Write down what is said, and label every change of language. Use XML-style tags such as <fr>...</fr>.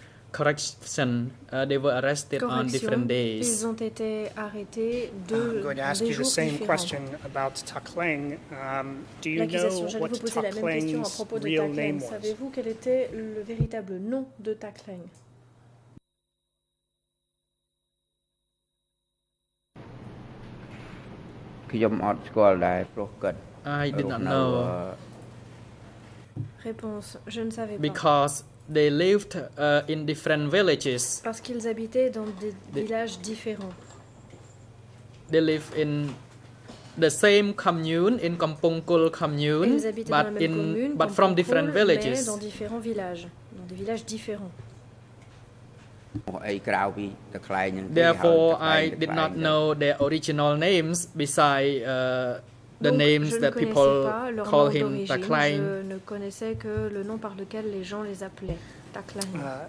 <en>Correction, they were arrested correction. On different days.</en> <fr>Ils ont été arrêtés deux,</fr> <en>I'm going to ask you the same question about Ta Kleng. Do you know what Ta Kleng's real name was?</en> <fr>Savez-vous quel était le véritable nom de Ta Kleng?</fr> <en>I did not know.</en> <fr>Réponse, je ne savais pas.</fr> <en>Because they lived in different villages.</en> <fr>Parce qu'ils habitaient dans des villages différents.</fr> <en>They live in the same commune, in Kampong Kul commune, but in commune, but from different Kul, villages.</en> <fr>Dans différents villages, dans des villages différents.</fr> <en>Therefore, I did not know their original names besides the</en> <fr>donc,</fr> <en>names that people call him Ta Kleng.</en> <fr>Je ne connaissais que le nom par lequel les gens les appelaient, Ta Kleng.</fr>